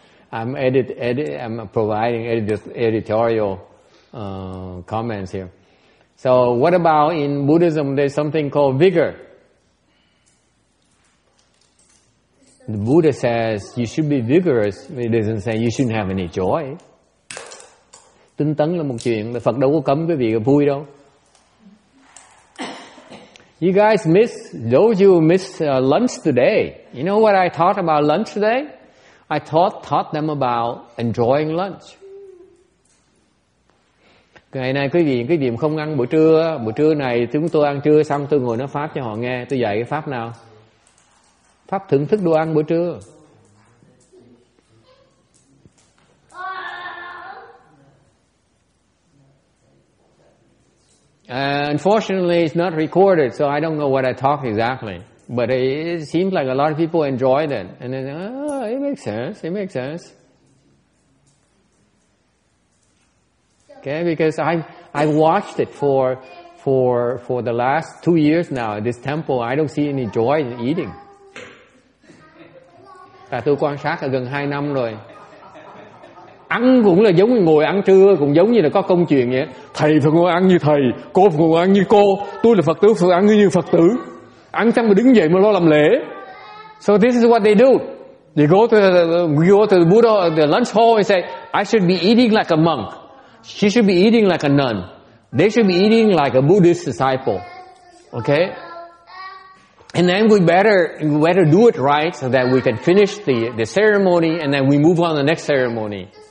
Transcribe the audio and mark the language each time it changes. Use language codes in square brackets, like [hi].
[en] I'm providing editorial comments here. So what about in Buddhism, there's something called vigor. The Buddha says you should be vigorous. He doesn't say you shouldn't have any joy. [vi] Tinh tấn là một chuyện, Phật đâu có cấm quý vị vui đâu. [en] You guys miss, those you miss lunch today. You know what I thought about lunch today? I taught them about enjoying lunch. [vi] Ngày nay quý vị không ăn bữa trưa này chúng tôi ăn trưa xong tôi ngồi nói pháp cho họ nghe, tôi dạy cái pháp nào? Pháp thưởng thức đồ ăn bữa trưa. [en] Unfortunately, it's not recorded, so I don't know what I talk exactly. But it seems like a lot of people enjoy that. And then, it makes sense. Okay, because I watched it for the last 2 years now at this temple. I don't see any joy in eating. [vi] Và tôi quan sát là gần 2 năm rồi. Ăn cũng là giống như ngồi ăn trưa, cũng giống như là có công chuyện vậy. Thầy phải ngồi ăn như thầy, cô phải ngồi ăn như cô. Tôi là Phật tử, phải ăn như Phật tử. Ăn xong rồi đứng dậy mà lo làm lễ. [en] So this is what they do. They go to the Buddha, the lunch hall and say, I should be eating like a monk. She should be eating like a nun. They should be eating like a Buddhist disciple. Okay? And then we better do it right so that we can finish the ceremony and then we move on to the next ceremony.